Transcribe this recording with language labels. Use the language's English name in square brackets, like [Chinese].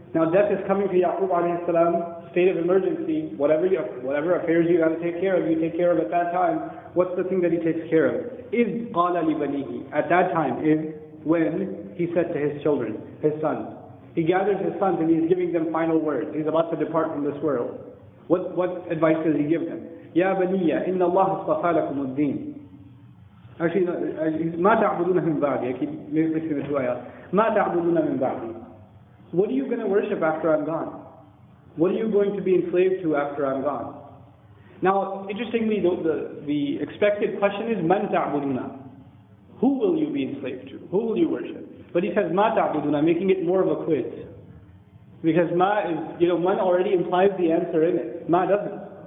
[English] Now death is coming to Ya'qub alayhi salam, state of emergency, whatever affairs you gotta take care of, you take care of at that time. What's the thing that he takes care of? [Arabic] إِذْ قَالَ لِبَنِيهِ [English] At that time, is when he said to his children, his sons. He gathers his sons and he's giving them final words. He's about to depart from this world. What advice does he give them? [Arabic] يَا بَنِيَّ إِنَّ اللَّهَ اصْطَفَى لَكُمُ الدِّينَ [English] Actually, [Arabic] مَا تَعْبُدُونَ مِنْ بَعْدِ [English] Maybe between the two ayahs. [Arabic] مَا تَعْبُدُونَ مِنْ بَعْدِ [English] What are you going to worship after I'm gone? What are you going to be enslaved to after I'm gone? Now, interestingly, the expected question is, [Arabic] مَنْ تَعْبُدُنَا [English] Who will you be enslaved to? Who will you worship? But he says, [Arabic] مَا تَعْبُدُنَا [English] Making it more of a quiz. Because مَا is, مَنْ already implies the answer in it. مَا doesn't.